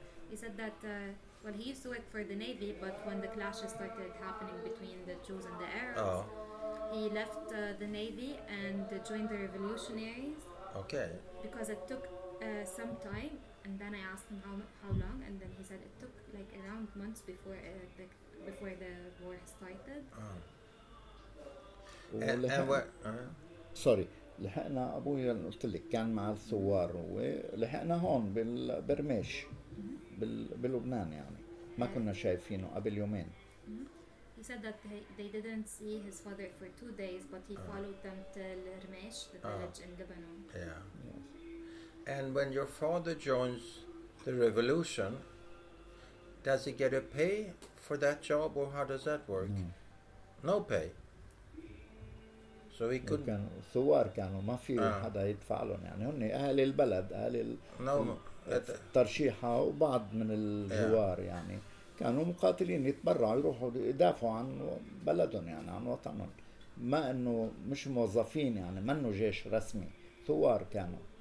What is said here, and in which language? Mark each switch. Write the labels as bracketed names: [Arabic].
[English] He said that well he used to work for the Navy but when the clashes started happening between the Jews and the Arabs he left the Navy and joined the revolutionaries okay because it took some time and then I asked him how long and then he said it took like around months before the war started. Sorry. [Arabic] لحقنا أبوي قلت لك كان مع الثوار ولحقنا هون بالبرميش باللبنان يعني ما كنا شايفينه قبل يومين. [English] He said that they didn't see his father for 2 days but he followed them to Rmesh, the village in Lebanon. Yeah. Yes. And when your father joins the revolution, does he get a pay for that job or how does that work? Mm. No pay. So he couldn't. [Arabic] كانوا ثوار كانوا ما في حدا يدفع لهم يعني هني أهل البلد أهل الترشيحة وبعض من الزوار يعني كانوا مقاتلين يتبرعوا يروحوا يدافعوا عن بلدهم يعني عن وطنهم ما إنه مش موظفين يعني ما إنه جيش رسمي ثوار كانوا.